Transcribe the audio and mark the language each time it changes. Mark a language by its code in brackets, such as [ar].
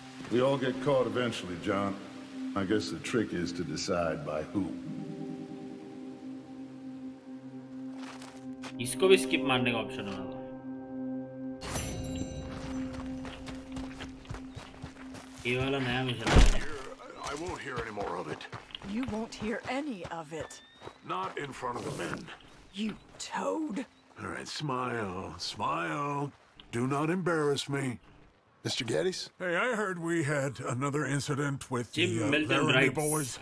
[en] We all get caught eventually, John. I guess the trick is to decide by who. [hi] इसको भी skip मारने का option होना ये वाला नया mission [en] I won't hear any more of it. You won't hear any of it. Not in front of the men. You toad. All right, smile. Do not embarrass me. Mr. Geddes? Hey, I heard we had another incident with Jim the Milton boys.